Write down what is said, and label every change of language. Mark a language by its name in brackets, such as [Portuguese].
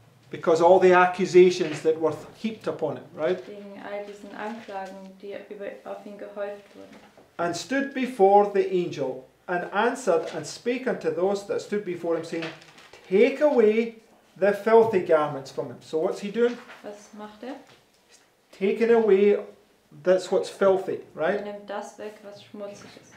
[English] Because all the accusations that were heaped upon him, right? [German] Wegen all diesen Anklagen, die auf ihn gehäuft wurden. [English] And stood before the angel, and answered and spake unto those that stood before him, saying, take away the filthy garments from him. So what's he doing? [German] Was macht er? [English] He's taking away that's what's filthy, right? [German] Er nimmt das weg, was schmutzig ist.